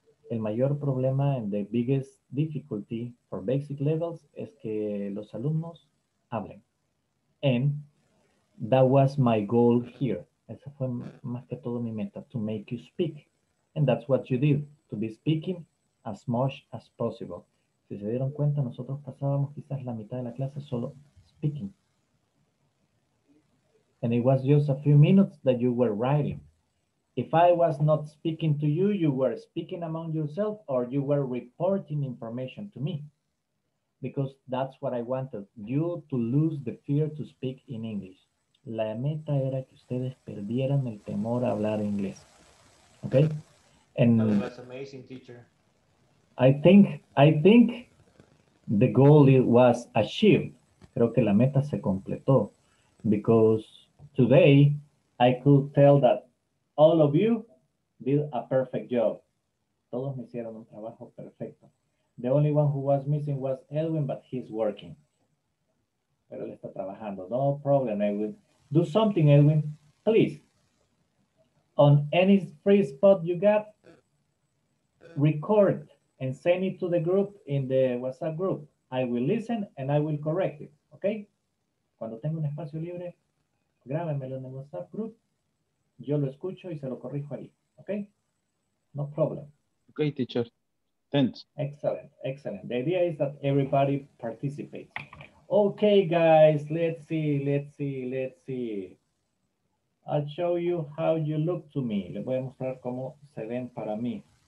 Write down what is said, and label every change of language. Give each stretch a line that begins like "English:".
Spanish: El mayor problema
English: and the biggest difficulty for basic levels
Spanish: es que los alumnos hablen.
English: And that was my goal here.
Spanish: Esa fue más que todo mi meta,
English: to make you speak. And that's what you did, to be speaking as much as possible.
Spanish: Si se dieron cuenta, nosotros pasábamos quizás la mitad de la clase solo speaking.
English: And it was just a few minutes that you were writing. If I was not speaking to you, you were speaking among yourself or you were reporting information to me. Because that's what I wanted, you to lose the fear to speak in English.
Spanish: La meta era que ustedes perdieran el temor a hablar inglés.
English: Okay? And that was amazing, teacher. I think the goal was achieved.
Spanish: Creo que la meta se completó.
English: Because today, I could tell that all of you did a perfect job.
Spanish: Todos me hicieron un trabajo perfecto.
English: The only one who was missing was Edwin, but he's working.
Spanish: Pero él está trabajando.
English: No problem, Edwin. Do something, Edwin, please. On any free spot you got, record and send it to the group in the WhatsApp group. I will listen and I will correct it, okay?
Spanish: Cuando tengo un espacio libre, grábenmelo en el WhatsApp group. Yo lo escucho y se lo corrijo ahí, okay?
English: No problem. Okay, teacher. Thanks. Excellent, excellent. The idea is that everybody participates. Okay, guys, let's see. I'll show you how you look to me.
Spanish: Les voy a mostrar cómo se ven para mí.